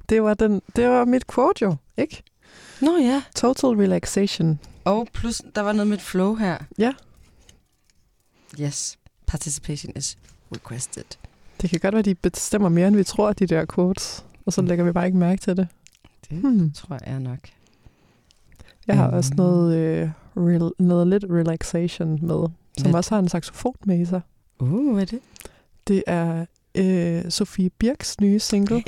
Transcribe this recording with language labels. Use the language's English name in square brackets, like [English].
[Danish] Det var mit quote jo, ikke? Nå ja. [English] Total relaxation. [Danish] Og plus, der var noget med et flow her. Ja. [English] Yes, participation is requested. [Danish] Det kan godt være, de bestemmer mere, end vi tror, de der quotes. Og så lægger vi bare ikke mærke til det. Det tror jeg nok. Jeg har også noget, noget lidt relaxation med. Som også har en saxofon med i sig. Hvad er det? Det er Sofie Birchs nye single.